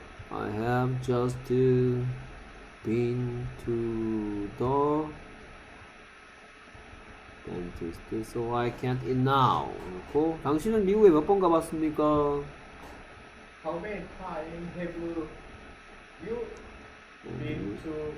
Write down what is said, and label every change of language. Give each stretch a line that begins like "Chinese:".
English: I have just been to the dentist, so I can't eat now.
Korean: 그리고 당신은 미국에 몇 번 가봤습니까?
English: How many times have you been to America?